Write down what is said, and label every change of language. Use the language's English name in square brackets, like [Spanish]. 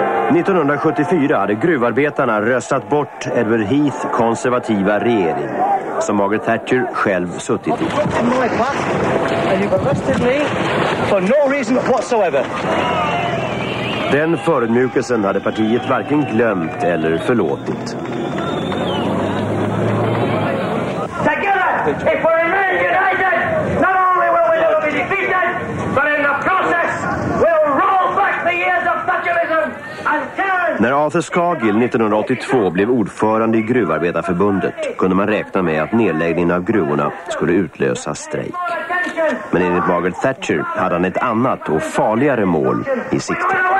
[Swedish] 1974 hade gruvarbetarna röstat bort Edward Heath konservativa regering som Margaret Thatcher själv suttit i. Den förödmjukelsen hade partiet varken glömt eller förlåtit. [English] If we remain united, not only will we never be defeated, but in the process, we'll roll back the years of Thatcherism and turn [Swedish] När Arthur Skagill 1982 blev ordförande i Gruvarbetarförbundet kunde man räkna med att nedläggningen av gruvorna skulle utlösa strejk. Men enligt Margaret Thatcher hade han ett annat och farligare mål i sikte.